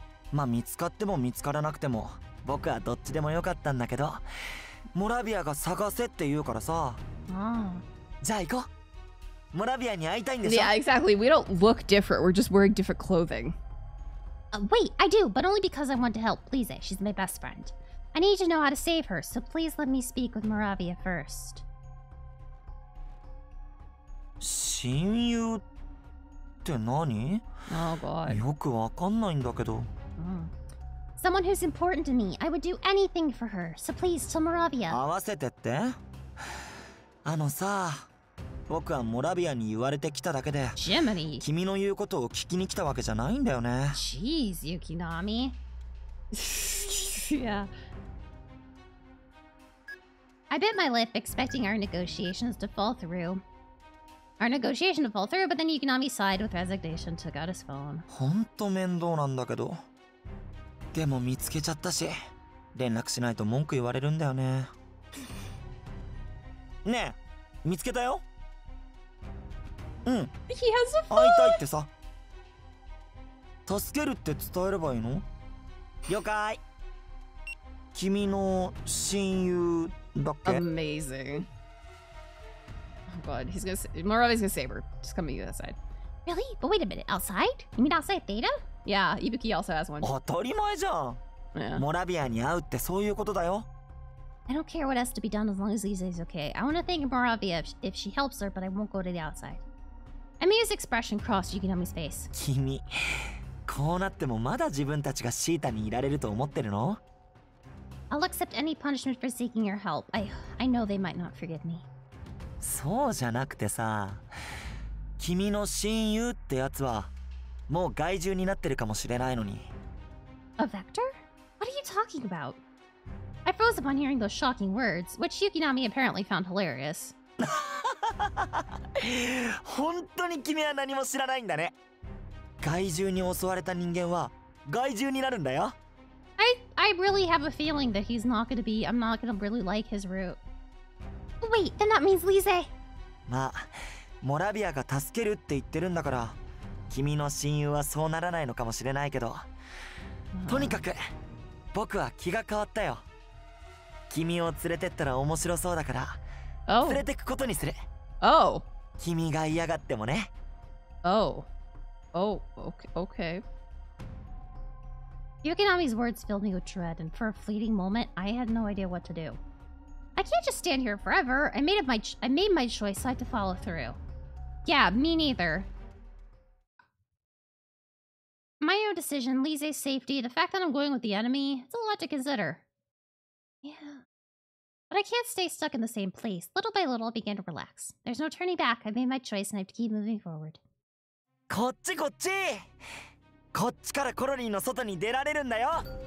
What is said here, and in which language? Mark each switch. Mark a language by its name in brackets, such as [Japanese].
[Japanese] まあ見つかっても見つからなくても、僕はどっちでもよかったんだけど、モラビアが探せって言うからさ。じゃあ行こう。モラビアに会いたいんでしょ? [English] Yeah, exactly. We don't look different. We're just wearing different clothing. Wait, I do, but only because I want to help Plize. She's my best friend. I need to know how to save her, so please let me speak with Moravia first. [Japanese] 親友って何? [English] Oh god. [Japanese] よくわかんないんだけど。 [English] Someone who's important to me. I would do anything for her, so please tell Moravia. [Japanese] 合わせてって? あのさ、僕はモラビアに言われてきただけで、 [English] Jiminy. [Japanese] 君の言うことを聞きに来たわけじゃないんだよね。 [English] Jeez, Yukinami. Yeah. I bit my lip, expecting our negotiation to fall through, but then Yukinami sighed with resignation, took out his phone. [Japanese] 本当面倒なんだけど。でも見つけちゃったし、連絡しないと文句言われるんだよね。ねえ、見つけたよ。うん。 [English] He has a phone! [Japanese] 会いたいってさ。助けるって伝えればいいの? 了解。君の親友… [English] Amazing. Oh god, he's gonna say- Moravia's gonna save her. Just come meet you outside. Really? But wait a minute, outside? You mean outside Theta? Yeah, Ibuki also has one. [Japanese] 当たり前じゃん!Moravia に会うってそういうことだよ! [English] I don't care what has to be done as long as Lisa is okay. I wanna thank Moravia if she helps her, but I won't go to the outside. Amy's expression crossed Yukinami's face. [Japanese] 君、こうなってもまだ自分たちがシータにいられると思ってるの? [English] I'll accept any punishment for seeking your help. I know they might not forgive me. [Japanese] そうじゃなくてさ、君の親友ってやつはもう害獣になってるかもしれないのに。 [English] A vector? What are you talking about? I froze upon hearing those shocking words, which Yukinami apparently found hilarious. [Japanese] 本当に君は何も知らないんだね。害獣に襲われた人間は害獣になるんだよ。 [English] I really have a feeling that he's not gonna be. I'm not gonna really like his route. Wait, then that means Lise! [Japanese] まあ、モラビアが助けるって言ってるんだから、君の親友はそうならないのかもしれないけど。とにかく、僕は気が変わったよ。君を連れてったら面白そうだから、 [English] oh. [Japanese] 連れてくことにする。 [English] Oh! [Japanese] 君が嫌がってもね。 [English] Oh. Oh, okay. Okay. Yukinami's words filled me with dread, and for a fleeting moment, I had no idea what to do. I can't just stand here forever. I made my choice, so I had to follow through. Yeah, me neither. My own decision, Lise's safety, the fact that I'm going with the enemy, it's a lot to consider. Yeah. But I can't stay stuck in the same place. Little by little, I began to relax. There's no turning back. I made my choice, and I have to keep moving forward. [Japanese] こっちこっちこっちからコロニーの外に出られるんだよ!